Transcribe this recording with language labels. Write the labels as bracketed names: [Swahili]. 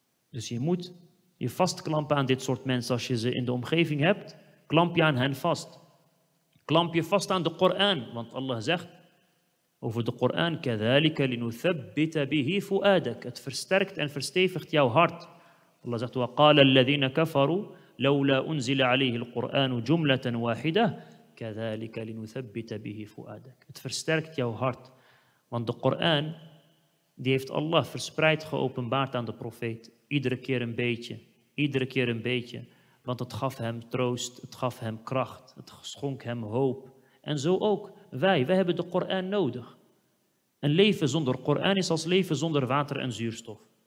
[Dutch] Dus je moet je vastklampen aan dit soort mensen als je ze in de omgeving hebt. Klamp je aan hen vast. Klamp je vast aan de Koran. Want Allah zegt over de Koran, [Arabic] kadhalika linuthabbita bihi fu'adak. [Dutch] Het versterkt en verstevigt jouw hart. Allah zegt, [Arabic] وقال الذين كفروا لولا أنزل عليه القرآن جملة واحدة كذلك لنثبت به فؤادك. [Dutch] Het versterkt jouw hart. Want de Koran, die heeft Allah verspreid geopenbaard aan de profeet. Iedere keer een beetje, iedere keer een beetje. Want het gaf hem troost, het gaf hem kracht, het schonk hem hoop. En zo ook, wij hebben de Koran nodig. Een leven zonder Koran is als leven zonder water en zuurstof.